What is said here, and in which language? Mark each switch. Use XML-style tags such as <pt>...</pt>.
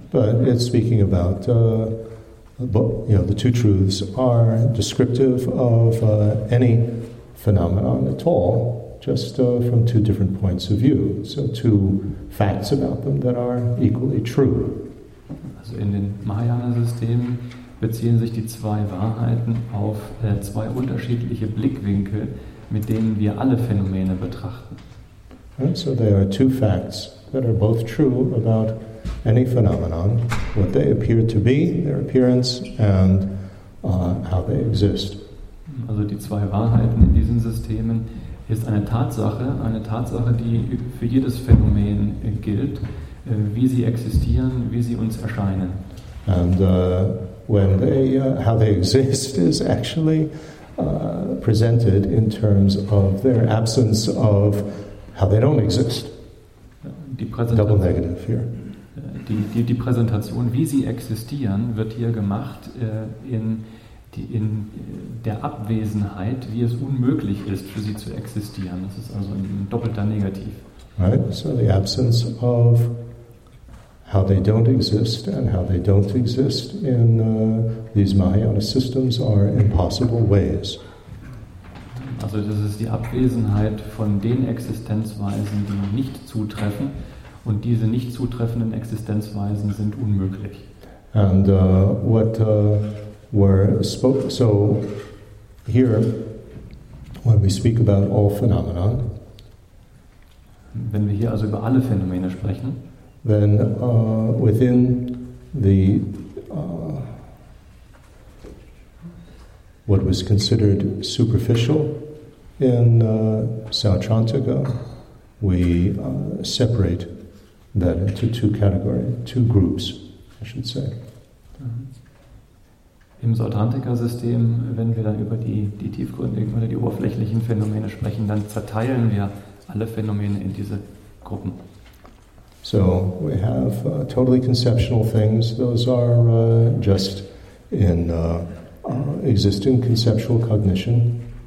<en>But it's speaking about the two truths are descriptive of any phenomenon at all, just from two different points of view. So two facts about them that are equally true.</en> <de>Also in den Mahayana-Systemen beziehen sich die zwei Wahrheiten auf zwei unterschiedliche Blickwinkel, mit denen wir alle Phänomene betrachten.</de> <en>And so there are two facts that are both true about any phenomenon, what they appear to be, their appearance, and how they exist.</en> <de>Also die zwei Wahrheiten in diesen Systemen ist eine Tatsache, die für jedes Phänomen gilt, wie sie existieren, wie sie uns erscheinen.</de> <en>And when they how they exist is actually presented in terms of their absence of how they don't exist. Double negative here.</en> <de>Die Präsentation, wie sie existieren, wird hier gemacht in der Abwesenheit, wie es unmöglich ist, für sie zu existieren. Das ist also ein doppelter Negativ.</de> <en>Right, so the absence of how they don't exist and how they don't exist in these Mahayana systems are impossible ways.</en> <de>Also das ist die Abwesenheit von den Existenzweisen, die nicht zutreffen, und diese nicht zutreffenden Existenzweisen sind unmöglich.</de> <en>And what were spoken, so here, when we speak about all phenomena,</en> <de>wenn wir hier also über alle Phänomene sprechen,</de> <en>then within the what was considered superficial in Sautrantika, we separate that into two groups, I should say.</en> <de>Im Sautrantika-System, wenn wir dann über die tiefgründigen oder die oberflächlichen Phänomene sprechen, dann zerteilen wir alle Phänomene in diese Gruppen.</de> <en>So we have totally conceptual things. Those are just in existing conceptual cognition.</en>